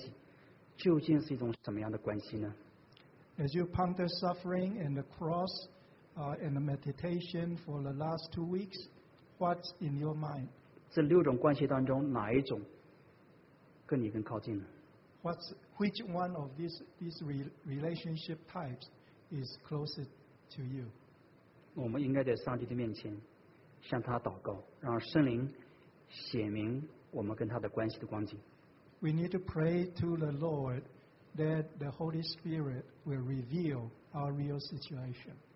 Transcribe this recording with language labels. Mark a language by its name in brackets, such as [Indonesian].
[Chinese] 那这段时间你禁食、你祷告，那你想想，你跟基督的关系究竟是一种什么样的关系呢？ [English] As you ponder suffering and the cross and the meditation for the last 2 weeks, what's in your mind? [Chinese] 这六种关系当中，哪一种跟你更靠近呢？ [English] Which one of these relationship types is closer to you? [Chinese] 我们应该在上帝的面前向他祷告，让圣灵显明我们跟他的关系的光景。 [English] We need to pray to the Lord that the Holy Spirit will reveal our real situation.